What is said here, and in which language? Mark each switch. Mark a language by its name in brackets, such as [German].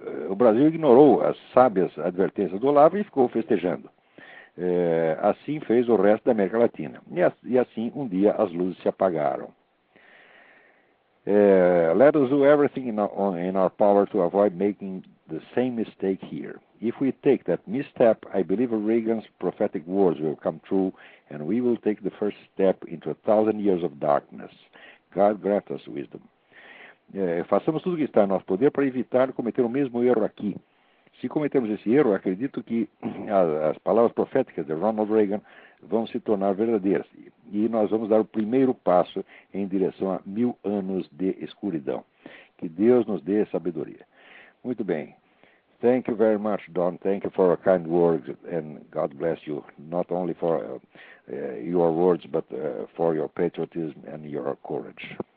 [Portuguese] O Brasil ignorou as sábias advertências do Olavo e ficou festejando. Assim fez o resto da América Latina. E assim um dia as luzes se apagaram. [English] Let us do everything in our power to avoid making the same mistake here. If we take that misstep, I believe Reagan's prophetic words will come true and we will take the first step into 1,000 years of darkness. God grant us wisdom. [Portuguese] Façamos tudo o que está em nosso poder para evitar cometer o mesmo erro aqui. Se cometermos esse erro, acredito que as palavras proféticas de Ronald Reagan vão se tornar verdadeiras e nós vamos dar o primeiro passo em direção a 1.000 anos de escuridão. Que Deus nos dê sabedoria. Muito bem. [English] Thank you very much, Don. Thank you for your kind words and God bless you, not only for your words, but for your patriotism and your courage.